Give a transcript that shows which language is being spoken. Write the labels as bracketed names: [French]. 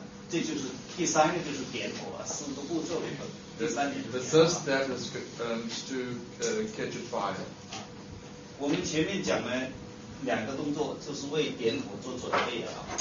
[Chinese] 这就是第三个，就是点头啊，四个步骤里头。第三点。 [English] The first step is to catch a fire. [Chinese] 我们前面讲了两个动作，就是为点头做准备啊。